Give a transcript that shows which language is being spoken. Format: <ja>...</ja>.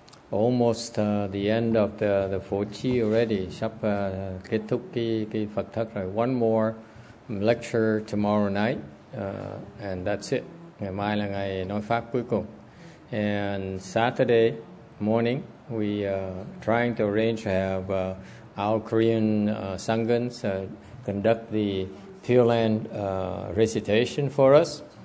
<en>Almost the end of the fourth chi already.</en> <vi>Sắp kết thúc cái Phật thất rồi.</vi> <en>One more lecture tomorrow night, and that's it.</en> <vi>Ngày mai là ngày nói pháp cuối cùng.</vi> <en>And Saturday morning, we trying to arrange to have our Korean sanghans conduct the Pure Land recitation for us.</en>